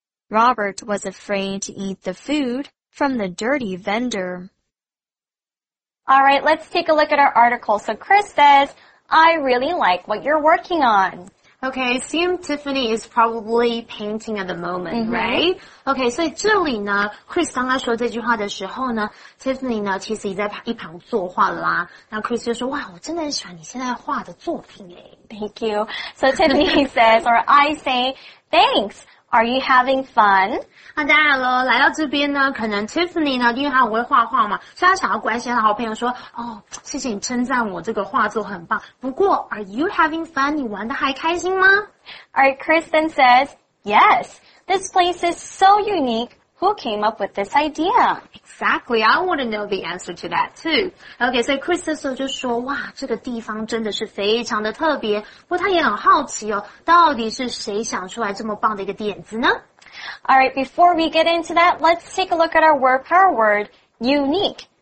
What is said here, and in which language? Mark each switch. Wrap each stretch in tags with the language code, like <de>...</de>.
<en>Robert was afraid to eat the food from the dirty vendor. All right, let's take a look at our article. So Chris says, I really like what you're working on. Okay, I assume Tiffany is probably painting at the moment, right?</en> <zh>Okay, 所以这里呢 ,Chris 刚刚说这句话的时候呢 ,Tiffany 呢其实也在一旁作画了啦。那 Chris 就说哇我真的很喜欢你现在画的作品耶。</zh> <en>Thank you. So Tiffany says, or I say, thanks, are you having fun?</en> <zh>那当然了，来到这边呢，可能 Tiffany 呢，因为她很会画画嘛，所以她想要关心她好朋友说，哦，谢谢你称赞我这个画作很棒。不过</zh> <en>，Are you having fun？</en> <zh>你玩得还开心吗</zh> <en>？Alright, Kristen says, yes. This place is so unique. Who came up with this idea? Exactly. I want to know the answer to that too. Okay, so</en> <zh>Kristen 就说，哇，这个地方真的是非常的特别。不过她也很好奇哦，到底是谁想出来这么棒的一个点子呢？</zh> <en>All right, before we get into that, let's take a look at our word power word, unique.</en>